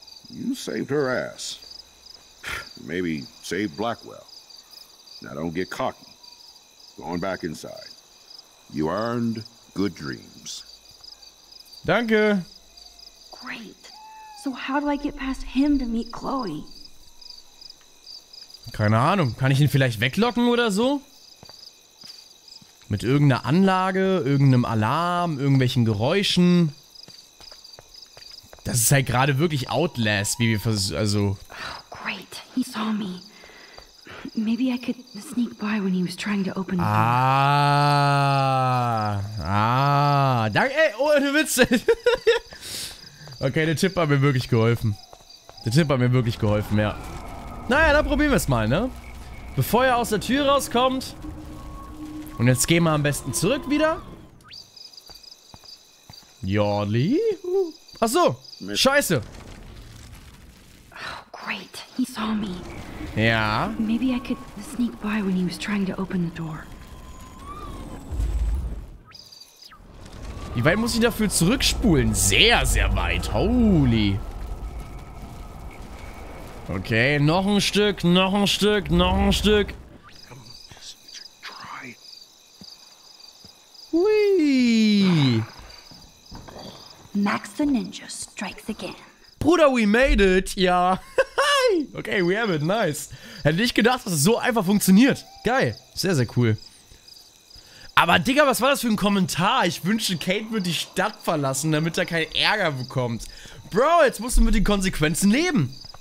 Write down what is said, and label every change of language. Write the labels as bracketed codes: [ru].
[en] You saved her ass. Maybe saved Blackwell. Now don't get cocky. Going back inside. You earned good dreams. [de] Danke. [en] Great. So how do I get past him to meet Chloe? [de] Keine Ahnung. Kann ich ihn vielleicht weglocken oder so? Mit irgendeiner Anlage, irgendeinem Alarm, irgendwelchen Geräuschen. Das ist halt gerade wirklich Outlast, wie wir versuchen, also... [en] Oh, great. He saw me. Maybe I could sneak by when he was trying to open the door. [de] Danke, ey, ohne Witz. Okay, der Tipp hat mir wirklich geholfen. Der Tipp hat mir wirklich geholfen, ja. Naja, dann probieren wir es mal, ne? Bevor er aus der Tür rauskommt. Und jetzt gehen wir am besten zurück wieder. Jolly. Achso, scheiße. [en] Oh, great. He saw me. [de] Ja. [en] Maybe I could sneak by when he was trying to open the door. [de] Wie weit muss ich dafür zurückspulen? Sehr, sehr weit. Holy. Okay, noch ein Stück, noch ein Stück, noch ein Stück. Hui. [en] Max the Ninja strikes again. Bruder, we made it. Ja. Okay, we have it. Nice. [de] Hätte nicht gedacht, dass es so einfach funktioniert. Geil. Sehr, sehr cool. Aber Digga, was war das für ein Kommentar? Ich wünsche, Kate würde die Stadt verlassen, damit er keinen Ärger bekommt. Bro, jetzt musst du mit den Konsequenzen leben.